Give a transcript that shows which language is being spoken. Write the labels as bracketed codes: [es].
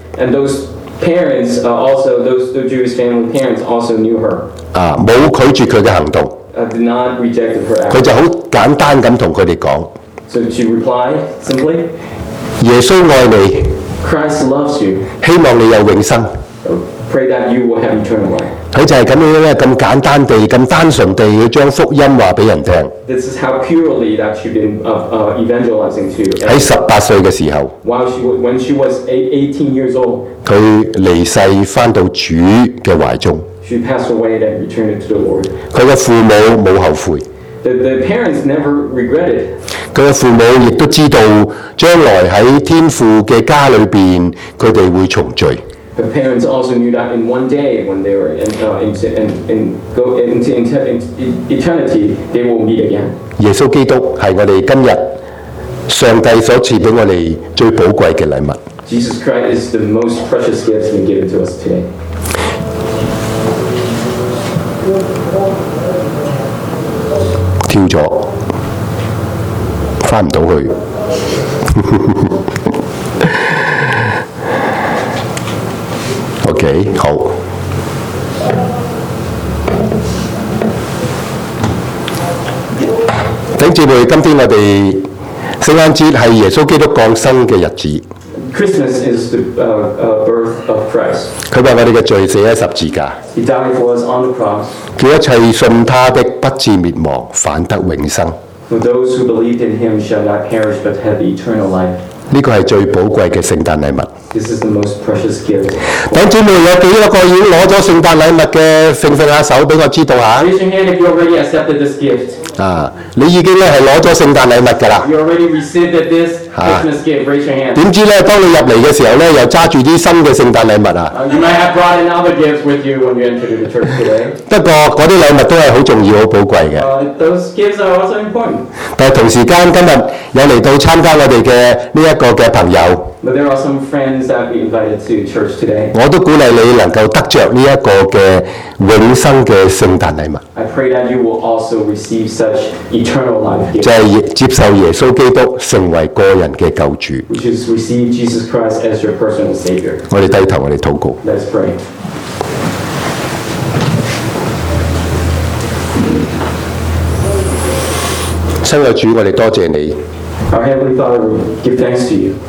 [en] And those parents also those Jewish family parents also knew her. [yue] 啊，冇拒絕佢嘅行動。 [en] Did not reject her act. [yue] 佢就好簡單咁同佢哋講。 [en] So she replied simply. [yue] 耶穌愛你。 [en] Christ loves you. [yue] 希望你有永生。 [en] Oh, pray that you will have eternal life. [yue] 佢就係咁樣咧，咁簡單地、咁單純地去將福音話俾人聽。 [en] This is how purely that she been evangelizing to. [yue] 喺十八歲嘅時候 [en] ，when she was eighteen years old， [yue] 佢離世翻到主嘅懷中。 [en] She passed away and returned to the Lord. [yue] 佢嘅父母冇後悔。 [en] The parents never regretted. [yue] 佢嘅父母亦都知道將來喺天父嘅家裏邊，佢哋會重聚。 [en] Her parents also knew that in one day, when they were into eternity, they will meet again. [yue] 耶穌基督係我哋今日上帝所賜俾我哋最寶貴嘅禮物。 [en] Jesus Christ is the most precious gift He has given to us today. [yue] 跳咗，翻唔到去。 OK， 好。弟兄姊妹，今天我哋聖誕節係耶穌基督降生嘅日子。 [en] Christmas is the birth of Christ. [yue] 佢為我哋嘅罪死喺十字架。 [en] He died for us on the cross. [yue] 叫一切信他的不至滅亡，反得永生。 [en] For those who believed in him shall not perish but have eternal life. [yue] 这个是最宝贵的圣诞礼物。 [en] This is the most precious gift. [yue] 等姐妹，有几多个已经攞咗圣诞礼物的，揈揈下手俾我知道下。 [en] Raise your hand if you already accepted this gift. [yue] 啊，你已经咧系攞咗圣诞礼物噶啦。 [en] You already received this Christmas gift. Raise your hand. [yue] 点知咧，当你入嚟嘅时候咧，又揸住啲新嘅圣诞礼物啊。 [en] You might have brought another gift with you when you entered the church today. [yue] 不过嗰啲礼物都系好重要、好宝贵嘅。 [en] Those gifts are also important. [yue] 但系同时间今日有嚟到参加我哋嘅呢一个。 [en] But there are some friends that we invited to church today. [yue] 我都鼓勵你能夠得著呢一個嘅永生嘅聖誕禮物。 [en] I pray that you will also receive such eternal life. [yue] 就係接受耶穌基督成為個人嘅救主。 [en] Which is receive Jesus Christ as your personal savior. [yue] 我哋低頭，我哋禱告。 [en] Let's pray. [yue] 親愛主，我哋多謝你。 [en] Our Heavenly Father, we give thanks to you.